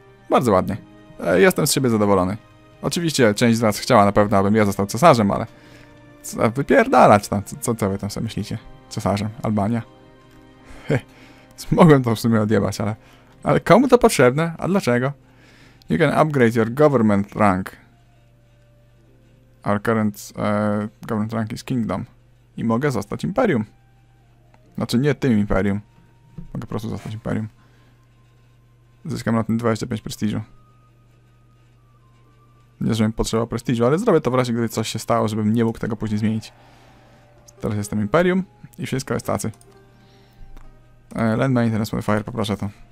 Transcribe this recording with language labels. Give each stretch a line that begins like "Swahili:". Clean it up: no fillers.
Polish: Bardzo ładnie. Jestem z siebie zadowolony. Oczywiście część z nas chciała na pewno, abym ja został cesarzem, ale... Co, wypierdalać tam, co wy tam sobie myślicie? Cesarzem, Albania. Mogłem to w sumie odjebać, ale... Ale komu to potrzebne? A dlaczego?
English: You can upgrade your government rank. Our current government rank is kingdom.
Polish: I mogę zostać imperium. Znaczy nie tym imperium. Mogę po prostu zostać imperium. Zyskam na tym 25 prestiżu. Nie, żebym potrzebował prestiżu, ale zrobię to w razie, gdy coś się stało, żebym nie mógł tego później zmienić. Teraz jestem Imperium i wszystko jest tacy. Land Maintenance Modifier, poproszę to.